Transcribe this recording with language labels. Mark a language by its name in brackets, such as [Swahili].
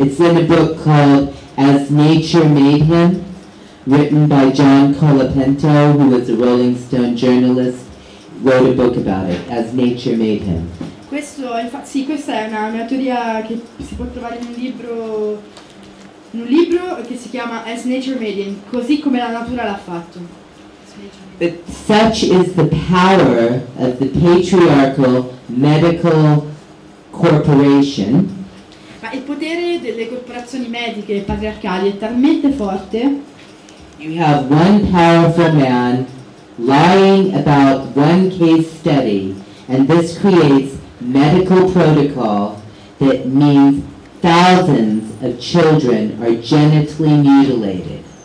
[English] It's in a book called As Nature Made Him, written by John Colapinto, who was a Rolling Stone journalist, wrote a book about it, As Nature Made Him. [Italian] Questa è una mia teoria che si può trovare in un libro che si chiama As Nature Made Him, così come la natura l'ha fatto. [English] But such is the power of the patriarchal medical corporation. [Italian] Ma il potere delle corporazioni mediche patriarcali è talmente forte. [English] You have one powerful man lying about one case study, and this creates medical protocol that means thousands of children are genitally mutilated.